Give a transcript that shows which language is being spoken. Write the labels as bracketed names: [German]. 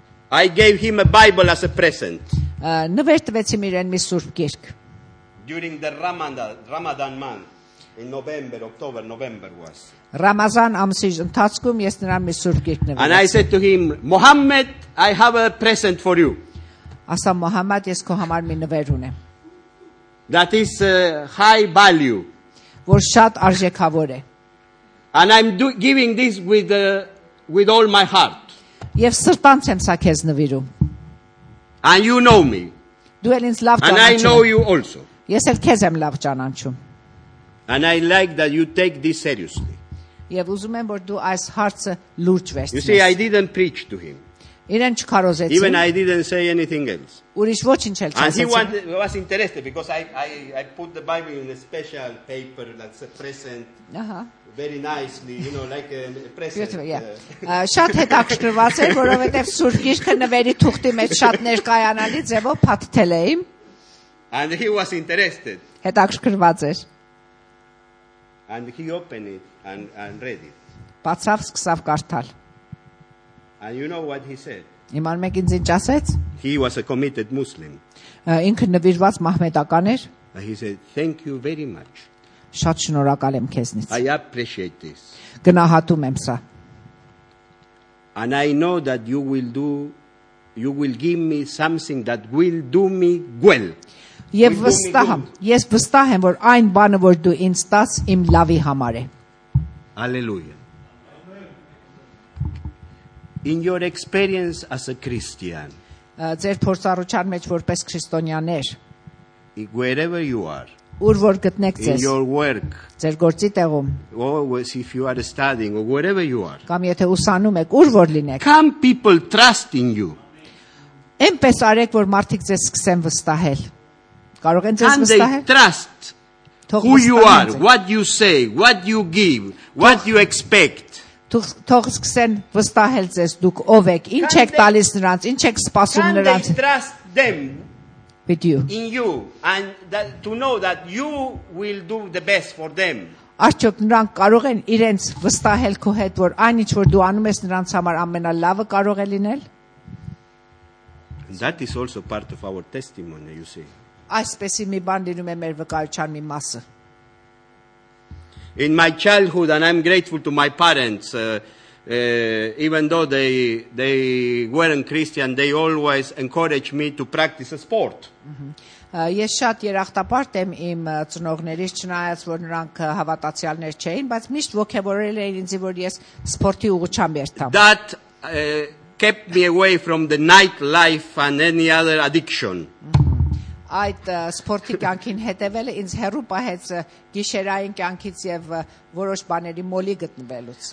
[English] I gave him a Bible as a present. [Armenian] Նվեր տվեցի իրեն մի սուրբ գիրք. [English] During the Ramadan month in November, October, November was. [Armenian] Ռամազան ամսի ընթացքում ես նրան մի սուրբ գիրք նվիրեցի. [English] And I said to him, Muhammad, I have a present for you. [Armenian] Ասա Մոհամեդ, ես քո համար մի նվեր ունեմ. [English] That is high value. [Armenian] Որ շատ արժեքավոր է. [English] And I'm giving this with all my heart. [Armenian] Եվ սրտանց եմ սա քեզ նվիրում. [English] And you know me. [Armenian] Դու ել ինձ լավ ճանաչում. [English] And I know you also. [Armenian] Ես էլ քեզ եմ լավ ճանաչում. [English] And I like that you take this seriously. [Armenian] Եվ ուզում եմ, որ դու այս հարցը լուրջ վերցնես. [English] You see, I didn't preach to him. [Armenian] Իրեն չկարոզեցի. [English] Even I didn't say anything else. [Armenian] Ուրիշ ոչինչ չեմ ասացի. [English] And he was interested because I put the Bible in a special paper that's a present. Very nicely, you know, like a present. [Armenian] Շատ հետաքրքրված էր, որովհետև սուրբ գիրքը նվերի թուղթի մեջ շատ ներկայանալի ձևով փաթթել էի. [English] And he was interested. [Armenian] Հետաքրքրված էր. [English] And he opened it and read it. [Armenian] Բացավ, սկսավ կարդալ. [English] And you know what he said? [Armenian] Իմանում եք ինձ ինչ ասեց? [English] He was a committed Muslim. [Armenian] Ինքը նվիրված մահմեդական էր. [English] He said, "Thank you very much." [Armenian] Շատ շնորհակալ եմ քեզնից. [English] I appreciate this. [Armenian] Գնահատում եմ սա. [English] And I know that you will give me something that will do me well. [Armenian] Եվ վստահ եմ, ես վստահ եմ, որ այն բանը, որ դու ինձ տաս, իմ լավի համար է. [English] Hallelujah. In your experience as a Christian. [Armenian] Ձեր փորձառության մեջ որպես քրիստոնյաներ. [English] Wherever you are. [Armenian] Ուր որ գտնեք ձեզ. [English] In your work. [Armenian] Ձեր գործի տեղում. [English] Or if you are studying or wherever you are. [Armenian] Կամ եթե ուսանում եք, ուր որ լինեք. [English] Can people trust in you? [Armenian] Էնպես արեք, որ մարդիկ ձեզ սկսեն վստահել. Կարող են ձեզ վստահել? [English] Can they trust? Who you are, what you say, what you give, what you expect. [Armenian] Թող սկսեն վստահել ձեզ, դուք ով եք, ինչ եք տալիս նրանց, ինչ եք սպասում նրանց։ [English] Can they trust them with you? In you and that, to know that you will do the best for them. [Armenian] Արդյոք նրանք կարող են իրենց վստահել քո հետ, որ այնինչ որ դու անում ես նրանց համար ամենալավը կարող է լինել։ [English] That is also part of our testimony, you see. [Armenian] Այսպեսի մի բան լինում է մեր վկայության մի մասը։ [English] In my childhood, and I'm grateful to my parents, even though they weren't Christian, they always encouraged me to practice a sport. [Armenian] Ես շատ երախտապարտ եմ իմ ծնողներից, չնայած որ նրանք հավատացյալներ չէին, բայց միշտ ոգևորել էին ինձ, որ ես սպորտի ուղղությամբ երթամ. [English] That kept me away from the night life and any other addiction. [Armenian] Այդ սպորտի կյանքին հետևելը ինձ հեռու պահեց գիշերային կյանքից եւ որոշ բաների մոլի գտնվելուց։